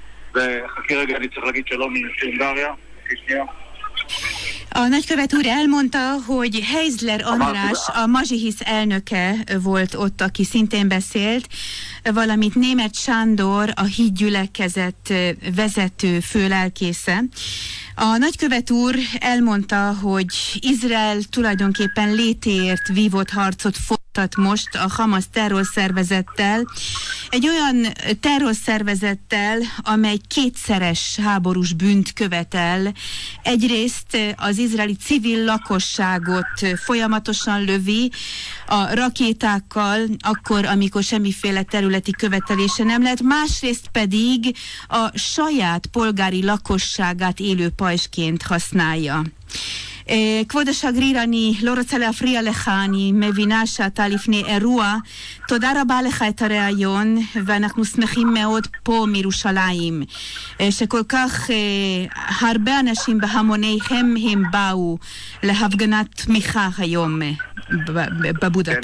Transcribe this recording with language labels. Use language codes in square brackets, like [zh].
[he] וחכי רגע, אני צריך להגיד שלום לנשיא הונגריה. חכי שנייה. [hu] A nagykövet úr elmondta, hogy Heizler András, a Mazsihisz elnöke volt ott, aki szintén beszélt, valamint Németh Sándor, a hídgyülekezet vezető főlelkésze. A nagykövet úr elmondta, hogy Izrael tulajdonképpen létért vívott harcot folytat most a Hamas terrorszervezettel, egy olyan terrorszervezettel, amely kétszeres háborús bűnt követel. Egyrészt az izraeli civil lakosságot folyamatosan lövi a rakétákkal, akkor, amikor semmiféle területi követelése nem lett, másrészt pedig a saját polgári lakosságát élő pajzsként használja. [he] כבוד השגריר, אני לא רוצה להפריע לך, אני מבינה שאתה לפני אירוע. תודה רבה לך את הרעיון, ואנחנו שמחים מאוד פה מירושלים, שכל כך הרבה אנשים בהמוניהם הם באו להפגנת תמיכה היום בבודפשט.